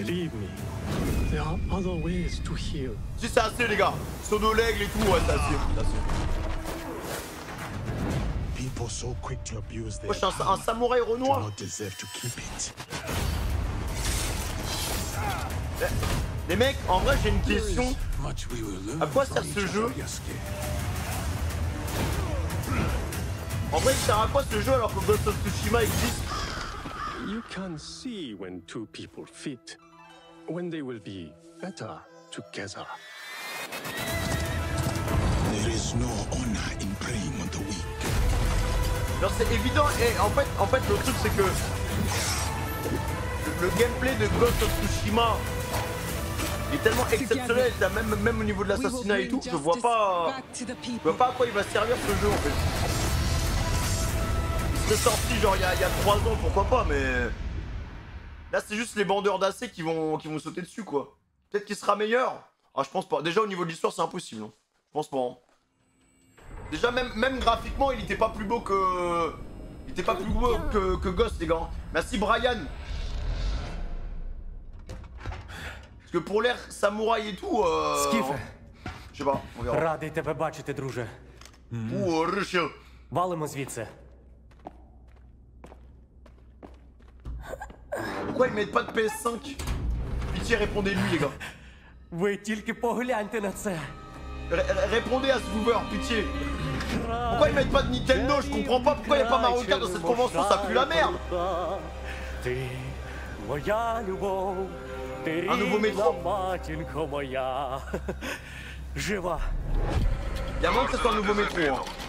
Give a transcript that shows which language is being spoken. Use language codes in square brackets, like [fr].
[en] Believe me, there are other ways to heal. [fr] Si, c'est assez, les gars. Sur nos legs et tout, ouais, c'est assez. C'est assez. Moi, je suis un samouraï Renoir. Les mecs, en vrai, j'ai une question. À quoi sert ce jeu? En vrai, il sert à quoi ce jeu alors que Ghost of Tsushima existe? [en] You can see when two people fit, when they will be better together. There is no honor in praying on the weak. [fr] Genre c'est évident et en fait le truc c'est que le gameplay de Ghost of Tsushima est tellement exceptionnel, même au niveau de l'assassinat et tout, je vois pas à quoi il va servir ce jeu en fait. Il serait sorti genre il y a 3 ans, pourquoi pas, mais là c'est juste les bandeurs d'AC qui vont sauter dessus quoi. Peut-être qu'il sera meilleur. Ah je pense pas, déjà au niveau de l'histoire c'est impossible, non. Je pense pas, hein. Déjà même graphiquement il était pas plus beau que. Il était pas plus beau que Ghost, les gars. Merci Brian. Parce que pour l'air samouraï et tout, Je sais pas, on verra. [uk] Радий тебе бачити, друже. Ворше. Валимо звідси. [fr] Pourquoi ils mettent pas de PS5? Pitié, répondez-lui, les gars. [uk] Ви тільки погляньте на це. [fr] Répondez à ce Goober, pitié. Pourquoi ils mettent pas de Nintendo? Je comprends pas pourquoi y'a pas Mario Kart dans cette convention, ça pue la merde. Un nouveau métro. Y'a moins que ce soit un nouveau métro, hein.